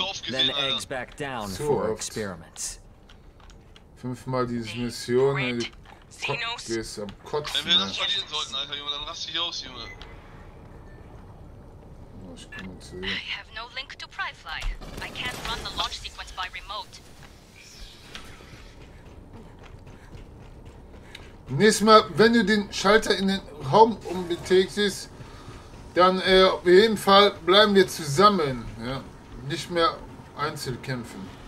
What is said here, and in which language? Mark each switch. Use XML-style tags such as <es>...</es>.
<en>Then eggs back down for experiments.</en> <de>Fünfmal diese Mission, ey. Kopf ist am Kotzen. Wenn wir das verlieren sollten, Alter, Junge, dann raste ich aus, Junge. Ich kann nicht sehen.</de> <en>I have no link to Pryfly. I can't run the launch sequence by remote.</en> <de>Nächstes Mal, wenn du den Schalter in den Raum umbetätigst, dann auf jeden Fall bleiben wir zusammen, ja? Nicht mehr einzeln kämpfen.</de>